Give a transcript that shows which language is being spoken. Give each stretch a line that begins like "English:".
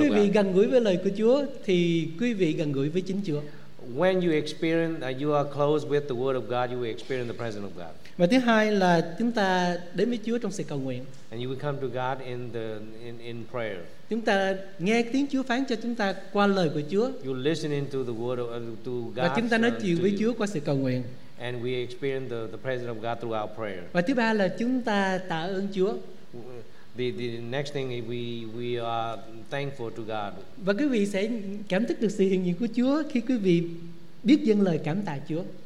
Vietnamese: Khi quý vị gần gũi với lời của Chúa thì quý vị gần gũi với chính Chúa.
English: When you experience you are close with the word of God, you will experience the presence of God.
Vietnamese: Và thứ hai là chúng ta đến với Chúa trong sự cầu nguyện.
English: And you will come to God in prayer.
Vietnamese: Chúng ta nghe tiếng Chúa phán cho chúng ta qua lời của Chúa.
English: You listening to the word of to God.
Vietnamese: Và chúng ta nói chuyện với Chúa qua sự cầu nguyện.
English: And we experience the presence of God through our prayer.
Vietnamese: Và thứ ba là chúng ta tạ ơn Chúa.
English: The next thing is we are thankful to God.
Vietnamese: Và quý vị sẽ cảm thức được sự hiện diện của Chúa khi quý vị biết dâng lời cảm tạ Chúa.